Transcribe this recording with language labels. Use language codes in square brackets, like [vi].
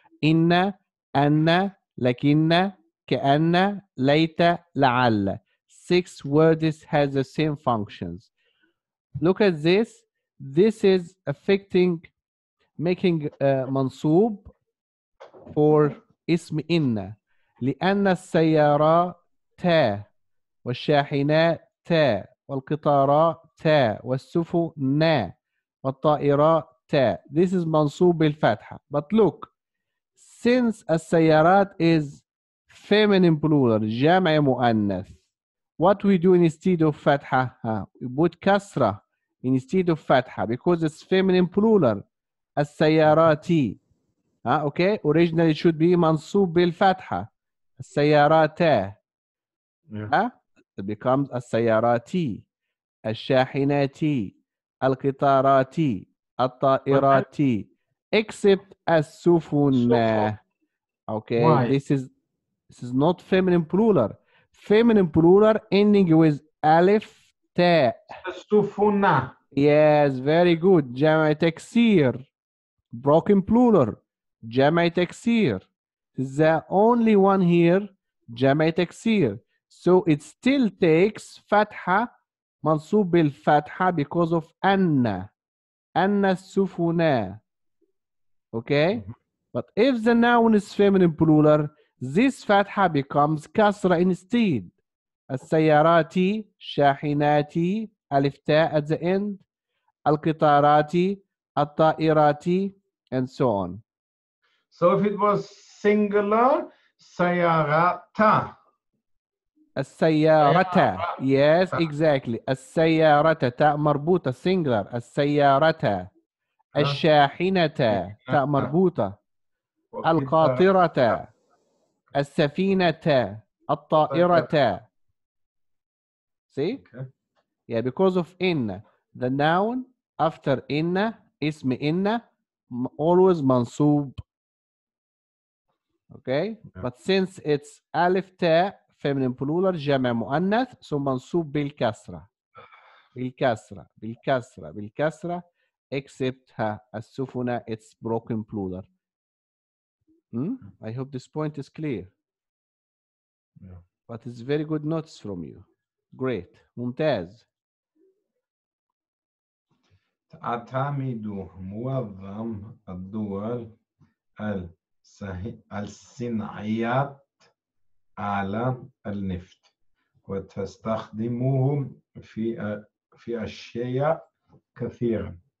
[ar] إن أن لكن كأن ليت لعل. [en] Six words has the same functions. Look at this. This is affecting, making منصوب for اسم إن. [ar] لأن السيارة تا والشاحنات تا والقطارات تا والسفن نا والطائرات تا. [en] This is منصوب بالفتحة. But look, since السيارات is feminine plural, جمع مؤنث, what we do instead of فتحة? We put كسرة instead of فتحة because it's feminine plural. [ar] السياراتي. [en] Okay, originally it should be منصوب بالفتحة. [ar] السيارات. [en] It becomes السياراتي. [ar] الشاحناتي. القطاراتي. الطائراتي. [en] Except السفن. Okay, why? This is not feminine plural. Feminine plural ending with alif ta. [ar] السفن. [en] Yes, very good. جمع تكسير. Broken plural. [ar] جمع تكسير. [en] The only one here جمع تكسير. So it still takes فتحة منصوب بالفتحة because of anna. [ar] Anna sufuna. [en] Okay? But if the noun is feminine plural, this fatha becomes kasra instead. [ar] السياراتي, شاحناتي, الف تاء [en] at the end. القطاراتي, الطائراتي, and so on. So if it was singular, sayarata. [ar] السيارته. [en] Yes, exactly. [ar] السيارته. تاء مربوطه. Singular. السيارته. الشاحنه. تاء مربوطه. القاطره. السفينه. الطائره. See? [en] Okay. Yeah, because of in. The noun after in, اسم in, always منصوب. Okay? Yeah. But since it's alif ta, feminine plural, جمع مؤنث, so منصوب بالكسرة. [ar] بالكسرة. بالكسرة. بالكسرة. [en] Except السفنة, it's broken plural. I hope this point is clear. Yeah. But it's very good notes from you. Great. ممتاز. [ar] تعتمد معظم الدول الصناعيات على النفط وتستخدمهم في أشياء كثيرة